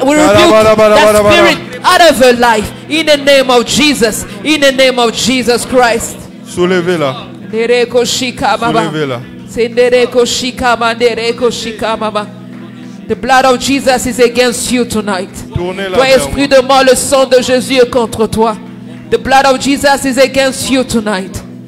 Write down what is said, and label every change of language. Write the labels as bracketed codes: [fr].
[en] We rebuke that spirit out of her life. In the name of Jesus, in the name of Jesus Christ. [fr] Soulevez-la. Soulevez-la. Sendere koshika mandere koshika mama. [en] The blood of Jesus is against you tonight. [fr] Toi, esprit de mort, le sang de Jésus est contre toi. [en] The blood of Jesus is against you tonight.